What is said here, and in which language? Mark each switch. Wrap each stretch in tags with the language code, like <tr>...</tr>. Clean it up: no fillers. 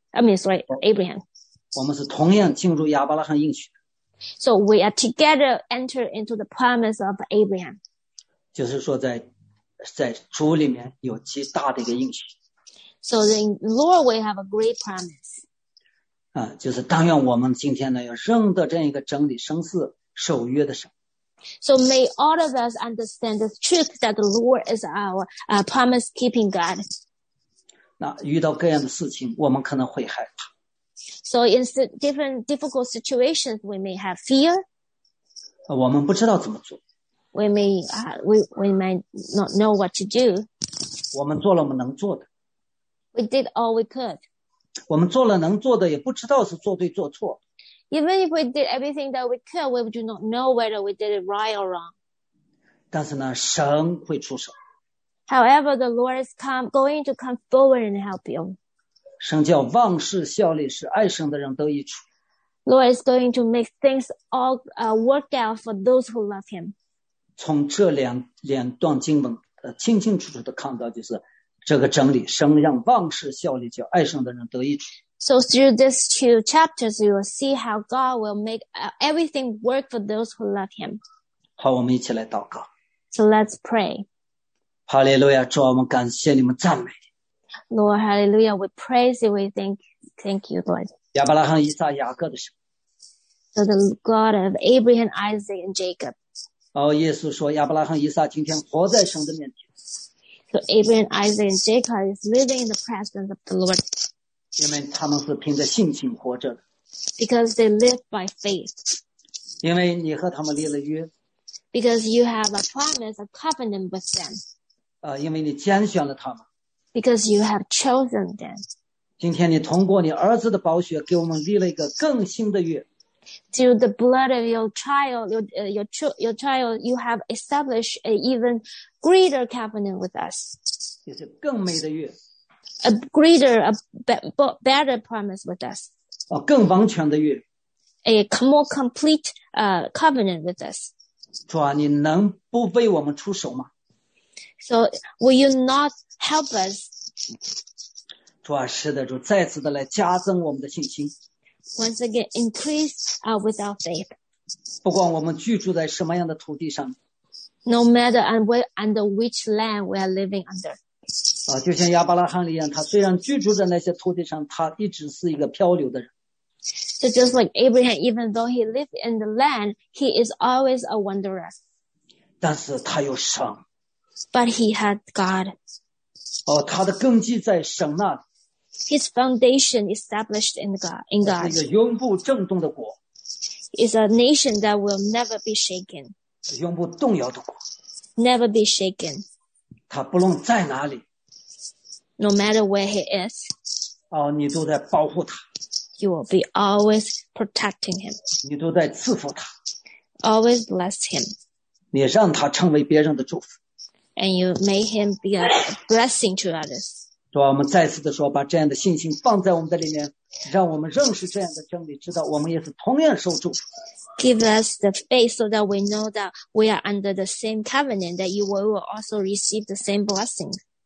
<en>I mean, sorry, Abraham.</en> <zh>我们是同样进入亚伯拉罕应许。</zh> <en>So we are together enter into the promise of Abraham.</en> <zh>就是说在。在主里面有极大的一个应许。</zh> <en>So in Lord we have a great promise.</en> <zh>就是但愿我们今天呢要认得这样一个真理，神是守约的神。</zh> <en>So may all of us understand the truth that the Lord is our promise keeping God.</en> <zh>那遇到各样的事情，我们可能会害怕。</zh> <en>So in different difficult situations, we may have fear.</en> <zh>我们不知道怎么做。</zh> <en>We may not know what to do.</en> <zh>我们做了我们能做的。</zh> <en>We did all we could.</en> <zh>我们做了能做的，也不知道是做对做错。</zh> <en>Even if we did everything that we could, we do not know whether we did it right or wrong.</en> <zh>但是呢，神会出手。</zh> <en>However, the Lord is going to come forward and help you.</en> <zh>神叫万事效力，使爱神的人得益处。</zh> <en>Lord is going to make things all work out for those who love him.</en> <zh>从这 两段经文清清楚楚的看到，就是这个真理，神让万事效力叫爱神的人得益处。</zh> <en>So through these two chapters, you will see how God will make everything work for those who love him.</en> <zh>好，我们一起来祷告。</zh> <en>So let's pray.</en> <zh>哈利路亚，主我们感谢你们赞美。</zh> <en>Lord, hallelujah, we praise you, we thank you, Lord.</en> <zh>亚伯拉罕以撒雅各的神。</zh> <en>So the God of Abraham, Isaac, and Jacob.</en> <zh>哦，耶稣说亚伯拉罕以撒今天活在神的面前。</zh> <en>So Abraham, Isaac, and Jacob is living in the presence of the Lord.</en> <zh>因为他们是凭着信心活着的。</zh> <en>Because they live by faith.</en> <zh>因为你和他们立了约。</zh> <en>Because you have a promise, a covenant with them.</en> <zh>因为你拣选了他们。</zh> <en>Because you have chosen them.</en> <zh>今天你通过你儿子的宝血给我们立了一个更新的约。</zh> <en>Through the blood of your child, your child, you have established an even greater covenant with us.</en> <zh>就是更美的约。</zh> <en>A greater, a better promise with us.</en> <zh>更完全的约。</zh> <en>A more complete covenant with us.</en> <zh>主啊，你能不为我们出手吗？</zh> <en>So, will you not help us?</en> <zh>主啊，是的，主，再次的来加增我们的信心。</zh> <en>Once again, increase with our faith.</en> <zh>不管我们居住在什么样的土地上。</zh> <en>No matter under which land we are living under.</en> <zh>就像亚伯拉罕一样，他虽然居住在那些土地上，他一直是一个漂流的人。</zh> <en>So just like Abraham, even though he lived in the land, he is always a wanderer.</en> <zh>但是他有神。</zh> <en>But he had God.</en> <zh>他的根基在神那里。</zh> <en>His foundation established in God.</en> <zh>是一个永不震动的国。</zh> <en>is a nation that will never be shaken.</en> <zh>永不动摇的国。</zh> <en>Never be shaken.</en> <zh>他不论在哪里。</zh> <en>No matter where he is.</en> <zh>哦，你都在保护他。</zh> <en>You will be always protecting him.</en> <zh>你都在赐福他。</zh> <en>Always bless him.</en> <zh>你让他成为别人的祝福。</zh> <en>And you made him be a blessing to others.</en> <zh>主啊，我们再次的说，把这样的信心放在我们的里面，让我们认识这样的真理，知道我们也是同样受祝福。</zh> <en>Give us the faith so that we know that we are under the same covenant, that you will also receive the same blessing.</en>